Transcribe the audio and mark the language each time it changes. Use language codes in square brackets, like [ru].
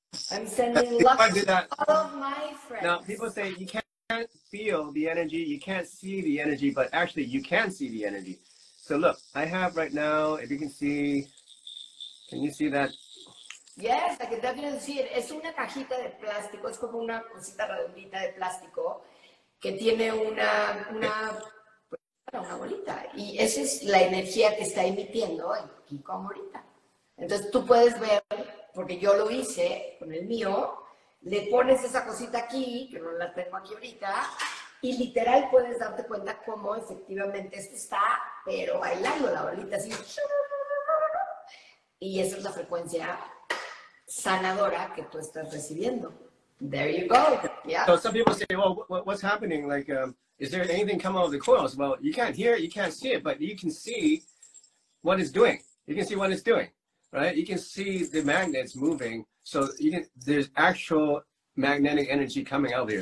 [en] I'm sending luck to all of my friends. Now, people say you can't feel the energy, you can't see the energy, but actually you can see the energy. So look, I have right now, if you can see, can you see that? Yes, I can definitely see it. [es] Es una cajita de plástico, es como una cosita redondita de plástico que tiene una bolita. Y esa es la energía que está emitiendo aquí como ahorita. Entonces tú puedes ver, porque yo lo hice con el mío, le pones esa cosita aquí, que no la tengo aquí ahorita, y literal puedes darte cuenta cómo efectivamente esto está, pero bailando la bolita así. Y esa es la frecuencia sanadora que tú estás recibiendo. [en] There you go. Yeah. So some people say, well, what's happening? Like, is there anything coming out of the coils? Well, you can't hear it, you can't see it, but you can see what it's doing. You can see what it's doing, right? You can see the magnets moving. So you can, there's actual magnetic energy coming out of here.